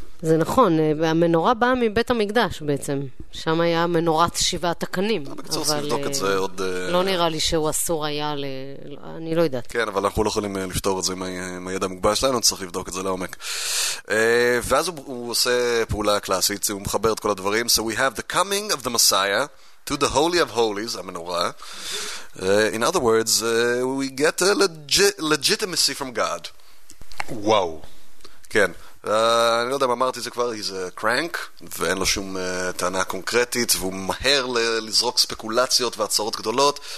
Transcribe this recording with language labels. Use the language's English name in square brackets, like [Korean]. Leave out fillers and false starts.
[Hebrew] זה נכון, המנורה באה מבית המקדש בעצם, שם היה מנורת שבעת הקנים. בקצור, צריך לבדוק את זה עוד... לא נראה לי שהוא אסור היה, אני לא יודעת. כן, אבל אנחנו לא יכולים לפתור את זה עם הידע המוגבל שלנו, צריך לבדוק את זה לעומק. ואז הוא עושה פעולה קלאסית, הוא מחבר את כל הדברים. [English] So we have the coming of the Messiah, to the holy of holies, המנורה. In other words, we get a legitimacy from God. [Hebrew] וואו. כן. אני לא יודע אם אמרתי זה כבר, [English] he's a crank, [Hebrew] ואין לו שום טענה קונקרטית, והוא מהר לזרוק ספקולציות והצעות גדולות.